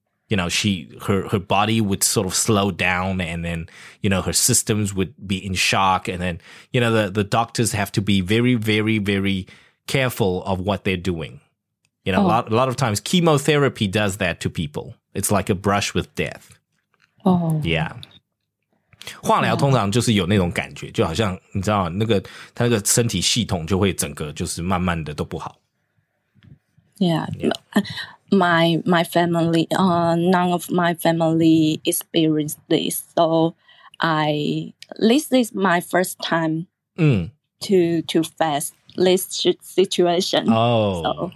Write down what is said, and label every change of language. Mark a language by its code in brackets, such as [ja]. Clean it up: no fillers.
[en] You know, her body would sort of slow down and then, you know, her systems would be in shock. And then, you know, the doctors have to be very, very, very careful of what they're doing. You know, a lot of times chemotherapy does that to people. It's like a brush with death. Oh. Yeah. [zh] 化疗通常就是有那种感觉，就好像你知道那个他那个身体系统就会整个就是慢慢的都不好。 [en] Yeah, my family, none of my family experienced this. So this is my first time to face this situation. Oh, so,